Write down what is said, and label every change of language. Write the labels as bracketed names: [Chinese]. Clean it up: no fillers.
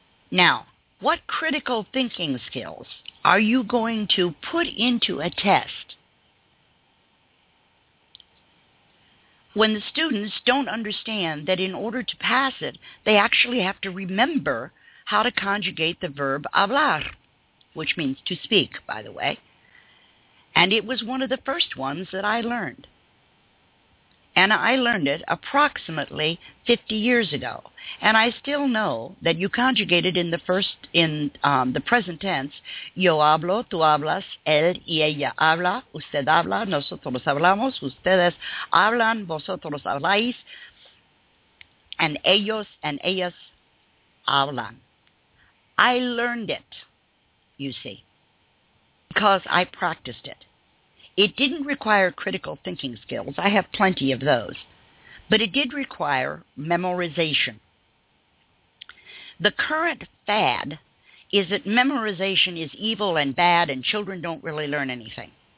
[English] Now, what critical thinking skills are you going to put into a test when the students don't understand that in order to pass it, they actually have to remember how to conjugate the verb hablar, which means to speak, by the way. And it was one of the first ones that I learned. And I learned it approximately 50 years ago. And I still know that you conjugate it in the present tense. [Spanish] Yo hablo, tú hablas, él y ella habla, usted habla, nosotros hablamos, ustedes hablan, vosotros habláis, and ellos and ellas hablan. [English] I learned it, you see, because I practiced it. It didn't require critical thinking skills. I have plenty of those. But it did require memorization. The current fad is that memorization is evil and bad and children don't really learn anything.